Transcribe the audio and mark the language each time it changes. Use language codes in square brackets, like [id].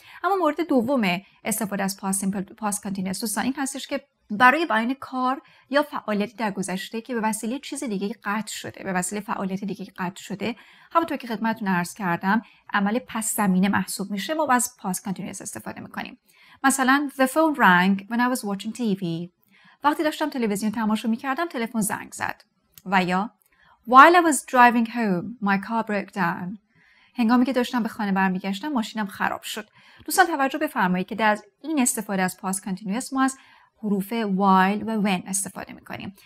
[fa] اما مورد دوم استفاده از پاس سیمپل، پاس کانتینوس، دوستان این هستش که برای بیان کار یا فعالیتی در گذشته که به وسیله چیز دیگه قطع شده، به وسیله فعالیت دیگه قطع شده، همونطور که خدمتتون عرض کردم عمل پس زمینه محسوب میشه، ما از پاس کانتینوس استفاده میکنیم. [en] مثلا the phone rang when I was watching TV. [fa] وقتی داشتم تلویزیون تماشا میکردم تلفن زنگ زد. [en] و یا While I was driving home, my car broke down. [fa] هنگامی که داشتم به خانه برمیگشتم ماشینم خراب شد. دوستان توجه بفرمایید که در این استفاده از past continuous ما از حروف while و when استفاده میکنیم.